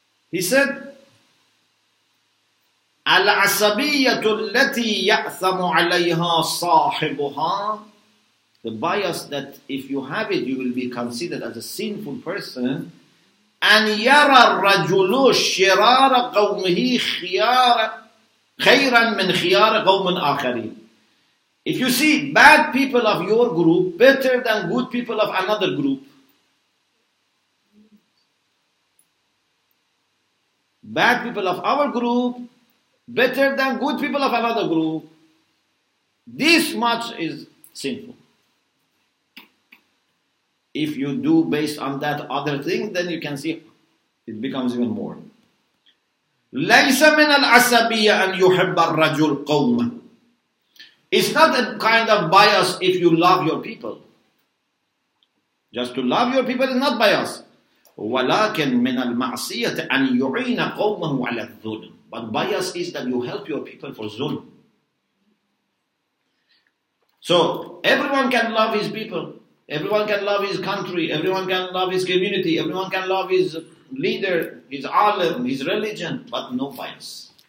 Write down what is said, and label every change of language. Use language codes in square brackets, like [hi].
[en] He said, [ar] Al-asabiyyatu allati ya'thamu 'alayha sahibuha. [en] The bias that if you have it, you will be considered as a sinful person. [ar] أن يرى الرجل شرار قومه خيارا خيرا من خيار قوم آخرين. [en] If you see bad people of your group better than good people of another group. Bad people of our group better than good people of another group. This much is sinful. If you do based on that other thing, then you can see it becomes even more. [ar] ليس من العصبية أن يحب الرجل قوم. [en] It's not a kind of bias if you love your people. Just to love your people is not bias. [ar] ولكن من المعصية أن يعين قومه على الظلم. [en] But bias is that you help your people for zulm. So everyone can love his people. Everyone can love his country, everyone can love his community, everyone can love his leader, his alim, his religion, but no bias.